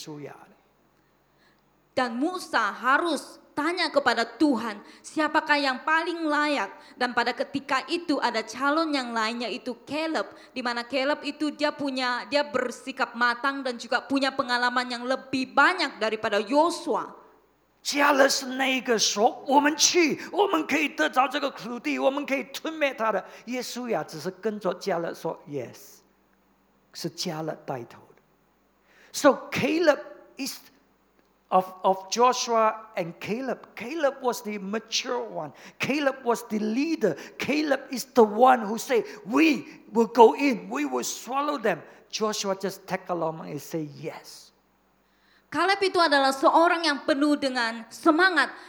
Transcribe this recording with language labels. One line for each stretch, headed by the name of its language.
Chinese: 摩西需要寻求神，到底是哪一个是你拣选的？不要忘记，当时加勒是比较老经验一点的，比较成熟过耶稣亚的。Dan
Malay: Musa harus tanya kepada Tuhan siapakah yang paling layak, dan pada ketika itu ada calon yang lainnya itu Caleb, di mana Caleb itu dia bersikap matang dan juga punya pengalaman yang lebih banyak daripada Yosua.
Chinese: Caleb 是那个说我们去，我们可以得着这个土地，我们可以吞灭他的。耶稣亚只是跟着加勒说 yes， 是加勒带头的。
English: So Caleb is of Joshua and Caleb. Caleb was the mature one. Caleb was the leader. Caleb is the one who say, we will go in, we will swallow them. Joshua just take along and say yes.
Malay: Caleb itu adalah seorang yang penuh dengan semangat.